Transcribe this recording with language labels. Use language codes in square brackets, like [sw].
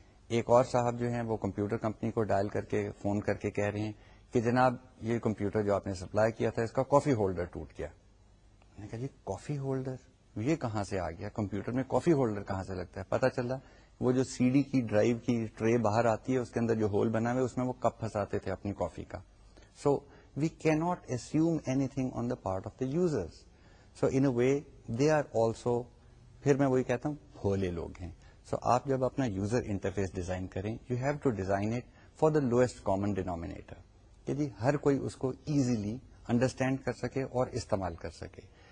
[ur] ایک اور صاحب جو ہیں وہ کمپیوٹر کمپنی کو ڈائل کر کے فون کر کے کہہ رہے ہیں کہ جناب یہ کمپیوٹر جو آپ نے سپلائی کیا تھا اس کا کافی ہولڈر ٹوٹ گیا. میں نے کہا جی کافی ہولڈر یہ کہاں سے آ گیا, کمپیوٹر میں کافی ہولڈر کہاں سے لگتا ہے؟ پتا چلا وہ جو سی ڈی کی ڈرائیو کی ٹرے باہر آتی ہے اس کے اندر جو ہول بنا ہوئے اس میں وہ کپ پھنساتے تھے اپنی کافی کا. [en] So we can't assume any thing on the part of the users. So in a way they are also, [ur] پھر میں وہی کہتا ہوں, بھولے لوگ ہیں. سو آپ جب اپنا یوزر انٹرفیس ڈیزائن کریں, [en] you have to design it for the lowest common denominator, [ur] یعنی ہر کوئی اس کو ایزیلی انڈرسٹینڈ کر سکے اور استعمال کر سکے.